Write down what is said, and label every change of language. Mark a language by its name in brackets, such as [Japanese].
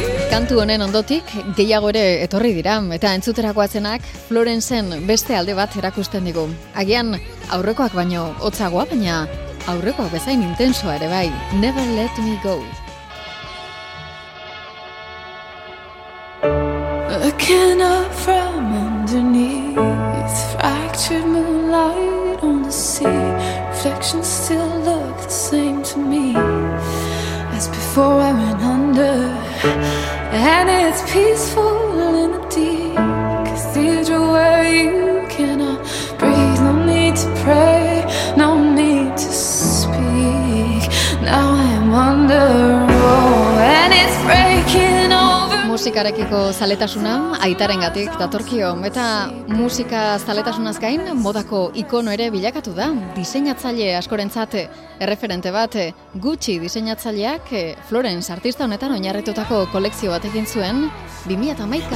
[Basque] Kantu honen ondotik, gehiago ere etorri dira, eta entzuterakoatzenak Florencen beste alde bat erakusten digu. Agian, aurrekoak baino hotzagoa, baina aurrekoak bezain intensoa ere bai. [English] Never let me go. I came up from underneath, fractured moonlight on the sea. Reflections still look the same to me as before I went under. And it's peaceful in the deep cathedral where you cannot breathe. No need to pray, no need to speak. Now I'm under rule and it's breaking over. [Basque] Musikarekiko zaletasuna aitarengatik datorkio, eta musika zaletasunaz gain modako ikono ere bilakatu da. Diseinatzaile askorentzat erreferente bat, Gucci diseinatzaileak Florence artista honetan oinarritutako kolekzio bat egin zuen 2011.